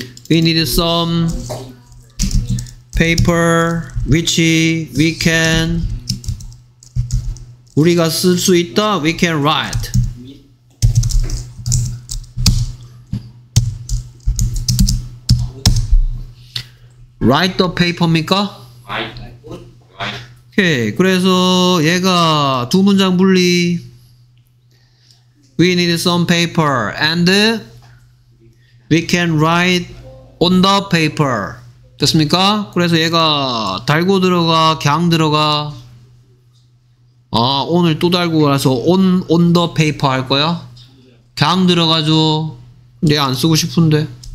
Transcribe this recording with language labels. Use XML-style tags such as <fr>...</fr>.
<en>We need some paper which we can</en> <ko>우리가 쓸 수 있다.</ko> <en>We can write. 'Write the paper'입니까? 'Write'.</en> <ko>오케이. 그래서 얘가 두 문장 분리.</ko> <en>We need some paper and we can write on the paper.</en> <ko>됐습니까? 그래서 얘가 달고 들어가, 강 들어가. 아 오늘 또 달고 가서</ko> <en>on the paper</en> <ko>할 거야? 강 들어가죠. 얘 안 쓰고 싶은데.</ko>